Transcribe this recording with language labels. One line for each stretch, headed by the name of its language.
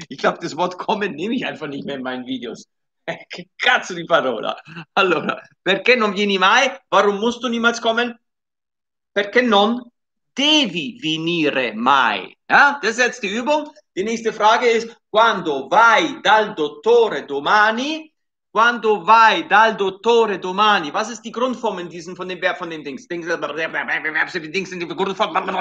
German: Ich glaube, das Wort kommen nehme ich einfach nicht mehr in meinen Videos.
Italian: Che cazzo di parola. Allora, perché non vieni mai?
German: Warum musst du niemals kommen?
Italian: Perché non devi venire mai.
German: Ja, das ist jetzt die Übung. Die nächste Frage ist,
Italian: quando vai dal dottore domani,
German: was ist die Grundform in diesem, von dem Verb, von dem Dings? Dings sind die Grundform.